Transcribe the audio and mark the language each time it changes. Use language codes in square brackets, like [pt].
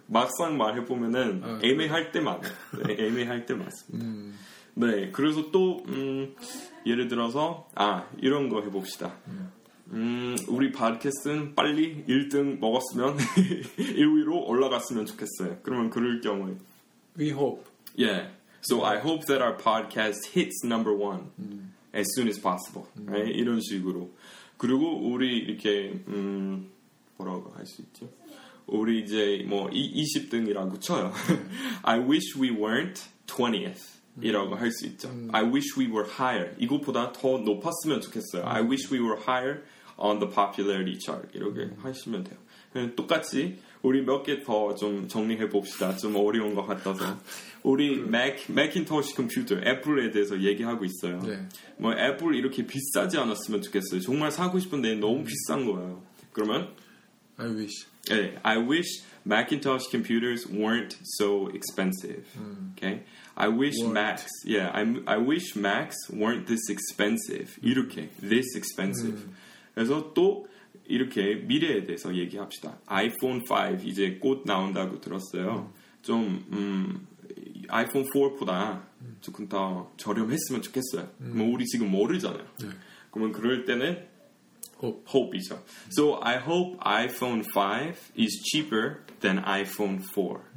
[ko] 막상 말해보면은 애매할 때만 애매할 때 맞습니다. 네, 그래서 또 예를 들어서 이런 거 해봅시다. 우리 팟캐스트는 빨리 1등 먹었으면 1위로 올라갔으면 좋겠어요. 그러면 그럴 경우에 [en] We hope. Yeah. So I hope that our podcast hits number one as soon as possible. Right? [ko] 이런 식으로. 그리고 우리 이렇게 뭐라고 할 수 있죠? 우리 이제 뭐 20등이라고 쳐요. [en] I wish we weren't 20th. [ko] 이라고 할 수 있죠. [en] I wish we were higher. [ko] 이것보다 더 높았으면 좋겠어요. [en] I wish we were higher on the popularity chart. [ko] 이렇게 하시면 돼요. 똑같이 우리 몇 개 더 좀 정리해봅시다. 좀 어려운 것 같아서. 우리 맥인토시 컴퓨터, 애플에 대해서 얘기하고 있어요. 네. 뭐 애플 이렇게 비싸지 않았으면 좋겠어요. 정말 사고 싶은데 너무 비싼 거예요. 그러면? [en] I wish. [ko] 네. [en] I wish Macintosh computers weren't so expensive. Okay? I wish Macs. Yeah, I wish Macs weren't this expensive. [ko] 이렇게. [en] This expensive. [ko] 그래서 또 이렇게 미래에 대해서 얘기합시다. iPhone 5 이제 곧 나온다고 들었어요. 좀 iPhone 4보다 조금 더 저렴했으면 좋겠어요. 뭐 우리 지금 모르잖아요. 네. 그러면 그럴 때는 hope이죠. [en] So I hope iPhone 5 is cheaper than iPhone 4.